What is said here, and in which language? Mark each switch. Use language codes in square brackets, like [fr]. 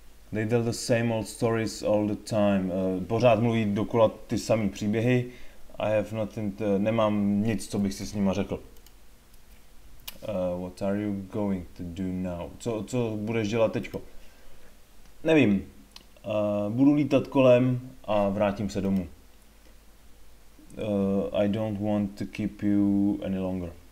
[en] They tell the same old stories all the time. [cs] Pořád mluví dokola ty samý příběhy. [en] I have nothing, [cs] nemám nic, co bych si s nima řekl. [en] What are you going to do now? [cs] Co budeš dělat teďko? Nevím. Budu lítat kolem a vrátím se domů. [en] I don't want to keep you any longer.